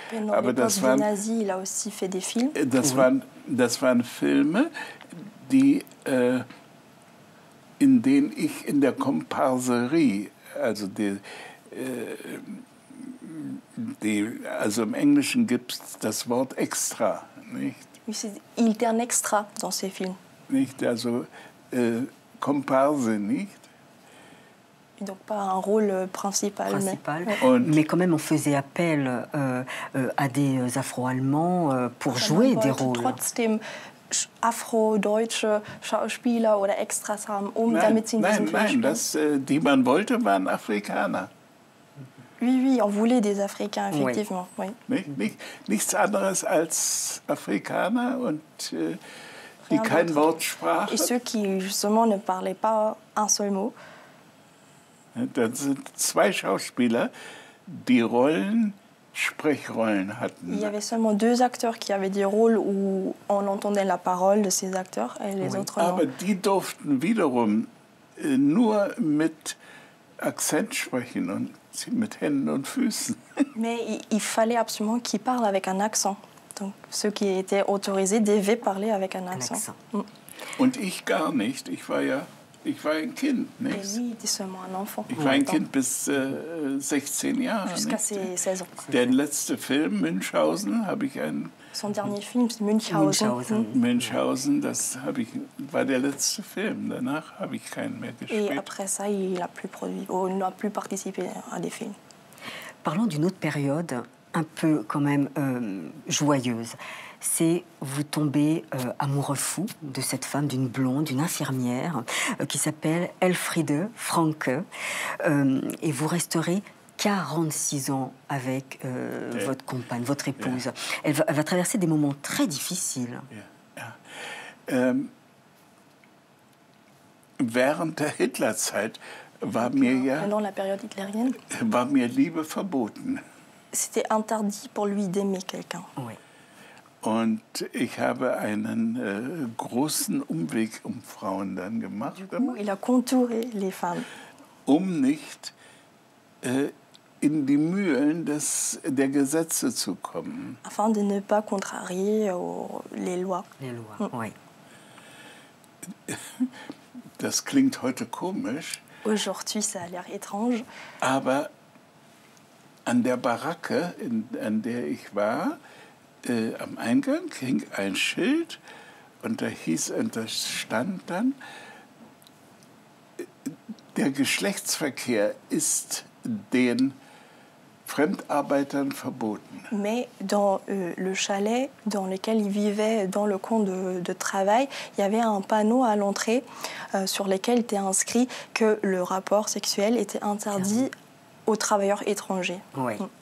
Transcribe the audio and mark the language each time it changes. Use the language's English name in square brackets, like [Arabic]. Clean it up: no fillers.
[German] Genau, aber das waren, [French] Nazi, il a aussi fait des films. [German] Das waren Filme, die, in denen ich in der Komparserie, also die, also im Englischen gibt es das Wort extra. Nicht? [French] Il était un extra dans ces films. [German] Nicht? Also Komparse, nicht? [French] Et donc pas un rôle principal. Principal. Mais quand même, on faisait appel à des Afro-Allemands pour jouer des rôles. [German] Trotzdem Afro-deutsche Schauspieler oder Extras haben, um nein, damit sie in diesem Film spielen. Nein, die man wollte, waren Afrikaner. [French] Oui, oui, on voulait des Afrikaner, effectivement. Oui. Oui. [German] Nichts anderes als Afrikaner und die rien kein Wort sprachen. [French] Et ceux qui, justement, ne parlaient pas un seul mot. [German] Dann sind zwei Schauspieler, die Rollen, Sprechrollen hatten. [French] Il y avait seulement deux acteurs qui avaient des rôles où on entendait la parole de ces acteurs et les autres non. [German] Aber die durften wiederum nur mit Akzent sprechen und mit Händen und Füßen. [French] Mais il fallait absolument qu'ils parlent avec un accent. Donc ceux qui étaient autorisés devaient parler avec un accent. [German] Und ich gar nicht. Ich war ein Kind, nicht? [French] Oui, c'est seulement un enfant. [German] Ich war ein Kind bis 16 Jahre. [French] Jusqu'à ses 16 ans. [German] Der letzte Film, Münchhausen, habe ich ein... [French] Son dernier film, c'est Münchhausen. [German] Münchhausen, das habe ich, war der letzte Film. Danach habe ich keinen mehr gespielt. [French] Et après ça, il a plus produit, ou n'a plus participé à des films. Parlons d'une autre période, un peu quand même joyeuse. C'est vous tombez amoureux fou de cette femme, d'une blonde, d'une infirmière qui s'appelle Elfriede Franke. Et vous resterez 46 ans avec votre compagne, votre épouse. Yeah. Elle va traverser des moments très difficiles. [German] Während der Hitlerzeit war mir ja. [French] Pendant la période hitlérienne. [German] War mir Liebe verboten. [French] C'était interdit pour lui d'aimer quelqu'un. Oui. [German] Und ich habe einen großen Umweg um Frauen dann gemacht. [French] Du coup, il a contouré les femmes. [German] Um nicht in die Mühlen der Gesetze zu kommen. [French] Afin de ne pas contrarier les lois. Les lois, oui. [German] Das klingt heute komisch. [French] Aujourd'hui, ça a l'air étrange. [German] Aber an der Baracke, an der ich war, am Eingang hing ein Schild und da hieß und da stand dann: Der Geschlechtsverkehr ist den Fremdarbeitern verboten. [French] Mais dans le chalet dans lequel il vivait dans le camp de travail, il y avait un panneau à l'entrée sur lequel était inscrit que le rapport sexuel était interdit aux travailleurs étrangers. Oui.